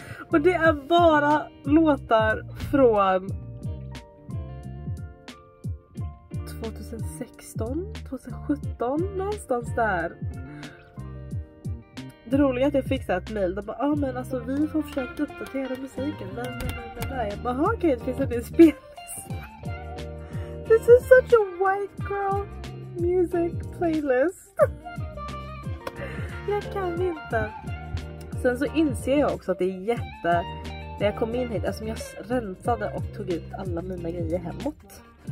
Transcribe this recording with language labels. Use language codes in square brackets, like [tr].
[sv] Och det är bara låtar från 2016, 2017, någonstans där. Det roliga är att jag fick så ett mail. De bara, ah, men alltså vi får försöka uppdatera musiken. Nej. Jag bara, okej, det finns en ny spellista. [en] This is such a white girl music playlist. [sv] Jag kan inte. Sen så inser jag också att det är jätte... När jag kom in hit, alltså jag rensade och tog ut alla mina grejer hemåt.